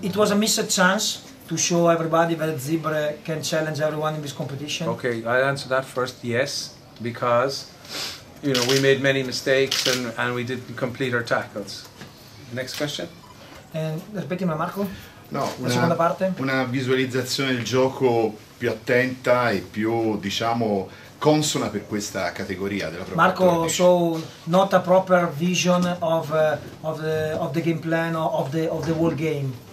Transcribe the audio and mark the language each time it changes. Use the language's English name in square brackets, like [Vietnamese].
[English] It was a missed chance to show everybody that Zebra can challenge everyone in this competition. Okay, I'll answer that first. Yes, because you know we made many mistakes and we didn't complete our tackles. Next question. [Italian] Ripetimi, Marco. No, la seconda parte. Una visualizzazione del gioco più attenta e più, diciamo, consona per questa categoria della propria. [English] Marco, so not a proper vision of the game plan of the whole game.